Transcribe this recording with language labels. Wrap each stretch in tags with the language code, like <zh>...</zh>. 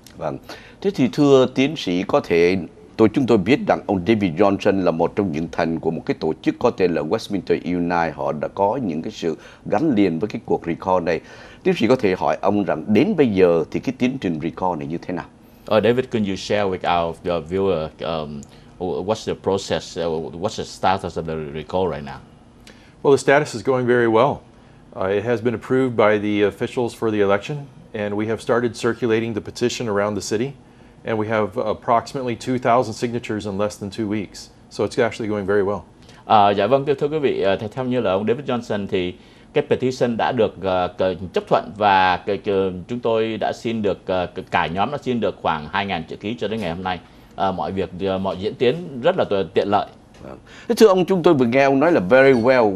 <vi>Vâng. Thế thì thưa tiến sĩ, có thể chúng tôi biết rằng ông David Johnson là một trong những thành của một cái tổ chức có tên là Westminster Unite. Họ đã có những cái sự gắn liền với cái cuộc recall này. Tiến sĩ có thể hỏi ông rằng đến bây giờ thì cái tiến trình recall này như thế nào?</vi> <en>David, can you share with our viewer what's the process, what's the status of the recall right now? Well, the status is going very well. It has been approved by the officials for the election, and we have started circulating the petition around the city, and we have approximately 2,000 signatures in less than 2 weeks. So it's actually going very well.</en> <vi>Dạ vâng, thưa quý vị, theo như là ông David Johnson thì cái petition đã được chấp thuận, và chúng tôi đã xin được, cả nhóm đã xin được khoảng 2,000 chữ ký cho đến ngày hôm nay. Mọi việc, mọi diễn tiến rất là tiện lợi. Thưa ông, chúng tôi vừa nghe ông nói là</vi> <en>very well.</en>